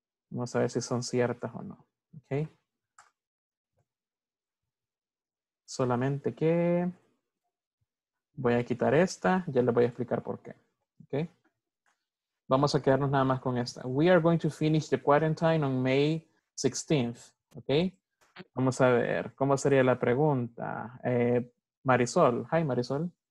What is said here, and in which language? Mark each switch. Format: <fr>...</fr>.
<es>Vamos a ver si son ciertas o no, ¿ok? Solamente que voy a quitar esta. Ya les voy a explicar por qué, ¿ok? Vamos a quedarnos nada más con esta.</es> <en>We are going to finish the quarantine on May 16th.</en> <es>Ok, vamos a ver, ¿cómo sería la pregunta? Marisol, hi Marisol.</es>